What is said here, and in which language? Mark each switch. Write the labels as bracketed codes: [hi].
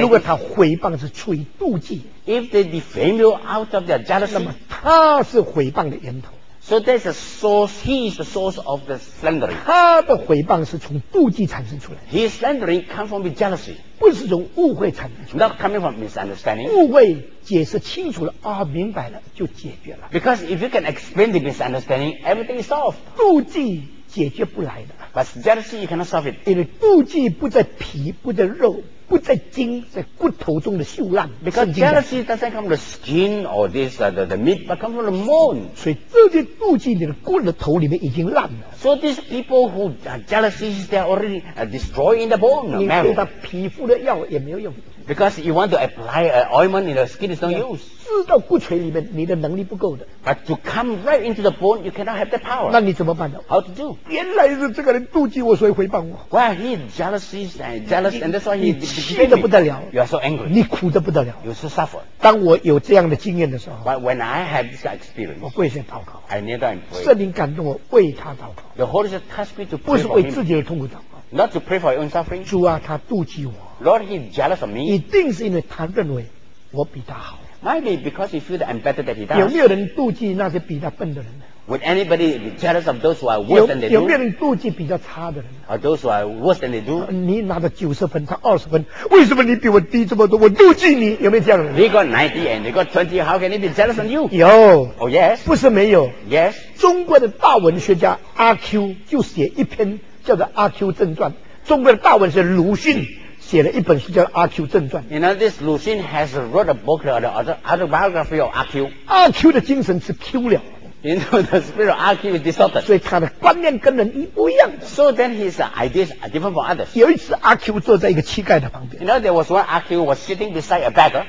[zh] 如果他诽谤是出于妒忌。 [en] If they defame you out of their jealousy. [zh] 那么他是诽谤的源头。 [en] So there's a source. He is the source of the slandering. [zh] 他的诽谤是从妒忌产生出来。 [en] His slandering comes from jealousy. [zh] 不是从误会产生出来。 [en] Not coming from misunderstanding. [zh] 误会解释清楚了，啊，明白了，就解决了。 [en] Because if you can explain the misunderstanding, everything is solved. [zh] 妒忌解决不来的。 [en] But jealousy you cannot solve it. [zh] 因为妒忌不在皮，不在肉。不在筋，在骨头中的锈烂。 [en] Because jealousy doesn't come from the skin or this the meat, but come from the bone. [zh] 所以这些妒忌，你的骨头里面已经烂了。 [en] So these people who are jealousy, they are already destroying the bone. [zh] 你敷他皮肤的药也没有用。 [en] Because you want to apply an ointment in the skin is no use. [zh] 刺到骨髓里面，你的能力不够的。 [en] But to come right into the bone, you cannot have the power. [zh] 那你怎么办呢？ [en] How to do? [zh] 原来是这个人妒忌我，所以诽谤我。 [en] Well, he is jealous and jealous, and that's why he. [zh] 你气得不得了。 [en] You are so angry. [zh] 你苦得不得了。 [en] You so suffer. [zh] 当我有这样的经验的时候。 [en] But when I had this experience, [zh] 我跪下祷告。 [en] I kneel down and pray. [zh] 圣灵感动我，为他祷告。 [en] The Holy Spirit touched me to pray. [zh] 不是为自己的痛苦祷告。 [en] Not to pray for your own suffering. [zh] 主啊，他妒忌我。 [en] Lord, he's jealous of me. [zh] 一定是因为他认为我比他好。 [en] Maybe because he feels that I'm better than he does. [zh] 有没有人妒忌那些比他笨的人呢？ [en] Would anybody be jealous of those who are worse than they do? [zh] 有没有人妒忌比较差的人呢？ [en] Or those who are worse than they do? [zh] 你拿着90分，他20分，为什么你比我低这么多？我妒忌你，有没有这样的人？ [en] He got 90 and they got 20. How can he be jealous of you? [zh] 有。 [en] Oh yes. [zh] 不是没有。 [en] Yes. [zh] 中国的大文学家阿 Q 就写一篇叫做《阿 Q 正传》，中国的大文学鲁迅。写了一本书叫《阿 Q 正传》。 [en] You know, this Lu Xun has wrote a book or the autobiography of 阿 Q. [zh] 阿 Q 的精神是 Q 了。 [en] You know, the spirit of 阿 Q is distorted. [zh] 所以他的观念跟人一不一样。 [en] So then his ideas are different from others. [zh] 有一次阿 Q 坐在一个乞丐的旁边。 [en] You know, there was one 阿 Q was sitting beside a beggar.